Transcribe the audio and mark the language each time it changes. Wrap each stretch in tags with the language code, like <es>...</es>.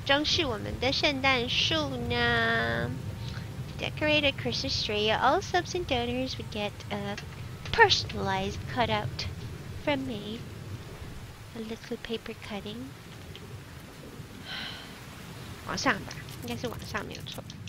<zh>你要为你剪什么剪纸装饰我们的圣诞树呢?</zh> <en>Decorate a Christmas tree. All subs and donors would get a personalized cutout from me. A little paper cutting.</en> <zh>往上吧，应该是往上没有错。</zh>